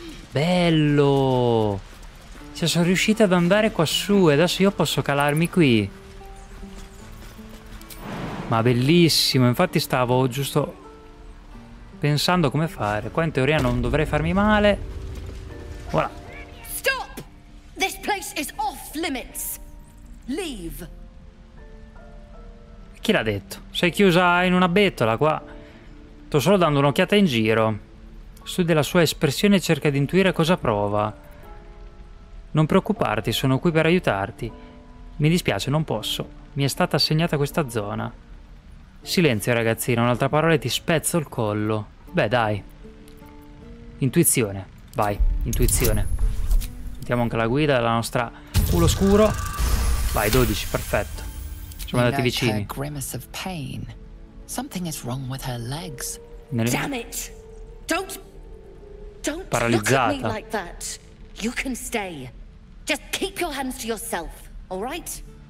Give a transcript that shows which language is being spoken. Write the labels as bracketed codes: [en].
[it] Bello. Cioè, sono riuscito ad andare quassù e adesso io posso calarmi qui. Ma bellissimo. Infatti stavo giusto pensando come fare. Qua in teoria non dovrei farmi male. Voilà. [en] Stop! This place is off limits. Leave. [it] Chi l'ha detto? Sei chiusa in una bettola qua. Sto solo dando un'occhiata in giro. Studia la sua espressione e cerca di intuire cosa prova. Non preoccuparti, sono qui per aiutarti. Mi dispiace, non posso. Mi è stata assegnata questa zona. Silenzio, ragazzino. Un'altra parola e ti spezzo il collo. Beh, dai. Intuizione. Vai, intuizione. Mettiamo anche la guida della nostra culo scuro. Vai, 12, perfetto. Siamo andati vicini. [en] Grimace of pain. Something is wrong with her legs. Damn it! Don't [it] paralizzata. [en] Look at me like that. You can stay. Just keep your hands to yourself, all right?